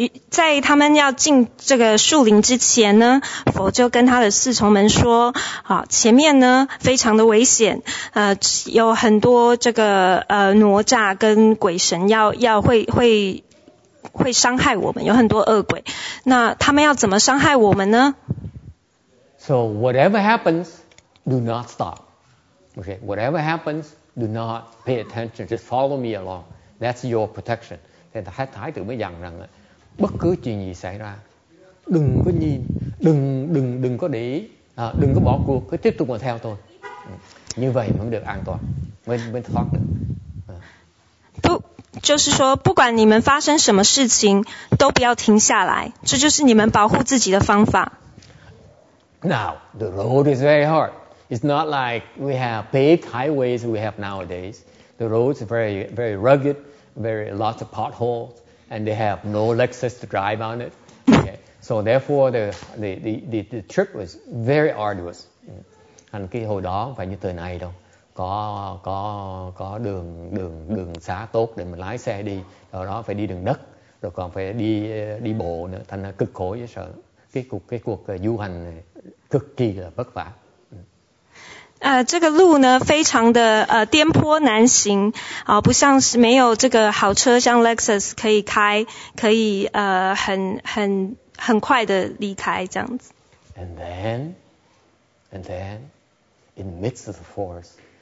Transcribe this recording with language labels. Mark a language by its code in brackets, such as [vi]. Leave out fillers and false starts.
[zh] 在他们要进这个树林之前呢，佛就跟他的侍从们说，好，前面呢非常的危险，有很多这个哪吒跟鬼神要会会伤害我们，有很多恶鬼。那他们要怎么伤害我们呢？ [en] So whatever happens, do not stop. Okay, whatever happens, do not pay attention. Just follow me along. That's your protection. [vi] Thế Thái Tử mới dặn rằng là bất cứ chuyện gì xảy ra, đừng có nhìn, đừng có để ý, đừng có bỏ cuộc, cứ tiếp tục mà theo tôi. Như vậy mới được an toàn, mới thoát được. [zh] 不，就是说，不管你们发生什么事情，都不要停下来，这就是你们保护自己的方法。 [en] Now the road is very hard. It's not like we have paved highways we have nowadays. The road is very, very rugged, very lots of potholes, and they have no Lexus to drive on it. Okay. So therefore, the trip was very arduous. [vi] Anh cái hồi đó phải như thời này đâu. Có đường xá tốt để mình lái xe đi, rồi đó phải đi đường đất, rồi còn phải đi bộ nữa, thành ra cực khổ với sợ cái cuộc du hành này cực kỳ là vất vả. [zh] 这个路呢非常的颠簸难行啊，不像是没有这个好车，像 Lexus 可以开，可以很快的离开这样子。 [en] And then in the midst of the forest.